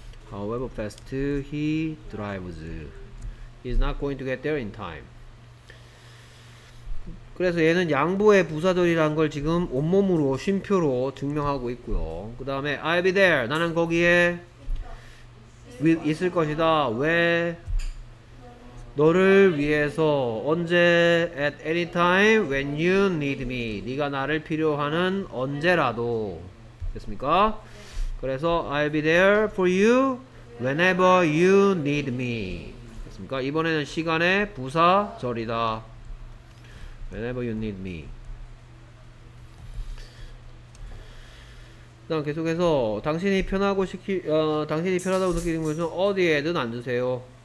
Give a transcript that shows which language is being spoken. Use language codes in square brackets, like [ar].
[en] However fast he drives, he's not going to get there in time. [ko] 그래서 얘는 양보의 부사절이라는 걸 지금 온몸으로 쉼표로 증명하고 있고요. 그 다음에 [en] I'll be there. [ko] 나는 거기에 있을 것이다. 왜? 너를 위해서 언제? [en] At any time when you need me. [ko] 네가 나를 필요하는 언제라도. 됐습니까? [en] 그래서 I'll be there for you whenever you need me. [ko] 됐습니까? 이번에는 시간의 부사절이다. [en] whenever you need me. [ko] 그다음 계속해서 당신이 편하고 시키 당신이 편하다고 느끼는 곳은 어디에든 앉으세요.